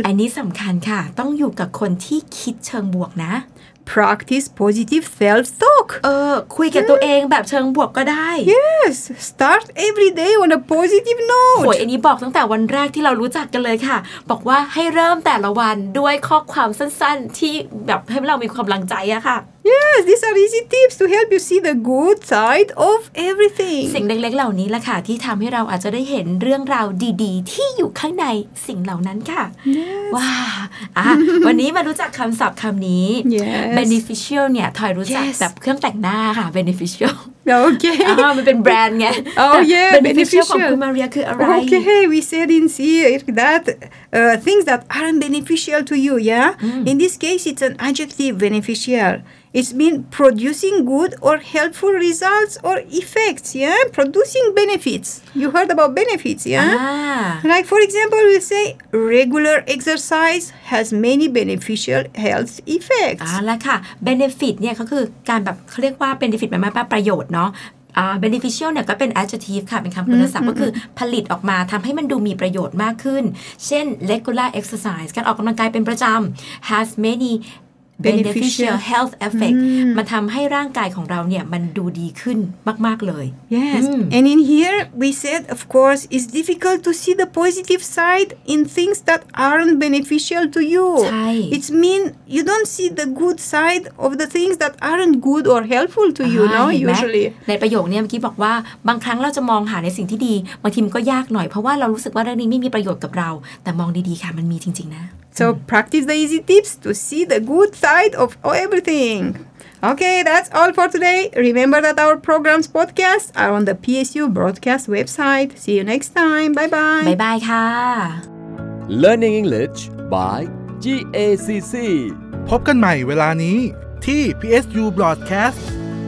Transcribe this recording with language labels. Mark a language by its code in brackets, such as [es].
[th] อันนี้สำคัญค่ะต้องอยู่กับคนที่คิดเชิงบวกนะ [en] Practice positive self-talk. [th] คุยกับตัวเองแบบเชิงบวกก็ได้ [en] Yes. Start every day on a positive note. [th] อันนี้บอกตั้งแต่วันแรกที่เรารู้จักกันเลยค่ะบอกว่าให้เริ่มแต่ละวันด้วยข้อความสั้นๆที่แบบให้เรามีความกำลังใจอะค่ะ [en] Yes, these are easy tips to help you see the good side of everything. [th] สิ่งเล็กๆเหล่านี้ล่ะค่ะที่ทำให้เราอาจจะได้เห็นเรื่องราวดีๆที่อยู่ข้างในสิ่งเหล่านั้นค่ะ [en] Yes. [th] ว้าวันนี้มารู้จักคำศัพท์คำนี้ [en] Yes. [th] Beneficial เนี่ยทอยรู้จัก [en] Yes. [th] แบบเครื่องแต่งหน้าค่ะ Beneficial [en] Okay. [th] มันเป็นแบรนด์ไง [en] Oh yeah. Beneficial [th] ของคุณมาเรียคืออะไร [en] Okay. We said in here that things that aren't beneficial to you. Yeah. In this case, it's an adjective beneficial. It's mean producing good or helpful results or effects, yeah? Producing benefits. You heard about benefits, yeah? Like, for example, we say regular exercise has many beneficial health effects. [th] แล้วค่ะ benefit เนี่ยเขาคือการแบบเขาเรียกว่า benefit หมายความว่าประโยชน์เนาะbeneficial เนี่ยก็เป็น adjective ค่ะเป็นคำคุณศัพท์ก็คือผลิตออกมาทำให้มันดูมีประโยชน์มากขึ้นเช่น [en] regular exercise [th] การออกกำลังกายเป็นประจำ has many [en] beneficial health effect [th] มาทำให้ร่างกายของเราเนี่ยมันดูดีขึ้นมากๆเลย [en] yes and in here we said of course it's difficult to see the positive side in things that aren't beneficial to you [th] ใช่ [en] it's mean you don't see the good side of the things that aren't good or helpful to you no usually [th] ในประโยคนี้เมื่อกี้บอกว่าบางครั้งเราจะมองหาในสิ่งที่ดีบางทีมันก็ยากหน่อยเพราะว่าเรารู้สึกว่าเรื่องนี้ไม่มีประโยชน์กับเราแต่มองดีๆค่ะมันมีจริงๆนะ [en] So practice the easy tips to see the good side of everything. Okay, that's all for today. Remember that our programs podcasts are on the PSU broadcast website. See you next time. Bye-bye. Bye-bye, [th] ค่ะ. [en] Learning English by GACC. [th] พบกันใหม่เวลานี้ที่ PSU broadcast.